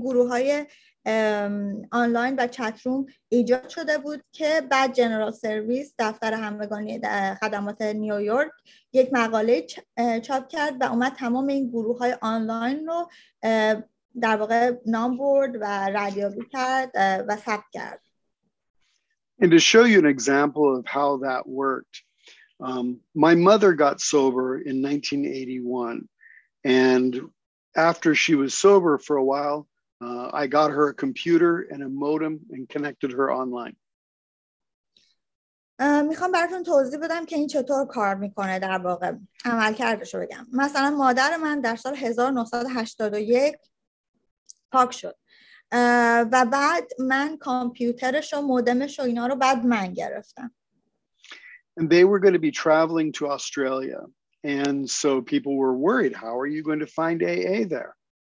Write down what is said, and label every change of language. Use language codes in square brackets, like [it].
[fa] های آنلاین و چت روم ایجاد شده بود که بعد جنرال سرویس دفتر همگانی خدمات نیویورک یک مقاله چاپ کرد و اومد تمام این گروه های آنلاین رو در واقع نام برد و ردیابی کرد و ثبت کرد. [en] And to show you an example of how that worked, my mother got sober in 1981, and after she was sober for a while, I got her a computer and a modem and connected her online. [fa] میخوام براتون توضیح بدم که این چطور کار میکنه در واقع. عملکردش رو بگم. مثلا مادر من در سال 1981 پاک شد. و بعد من کامپیوترش و مودمش و اینا رو بعد من گرفتم. [en] And they were going to be traveling to Australia. And so people were worried, how are you going to find AA there?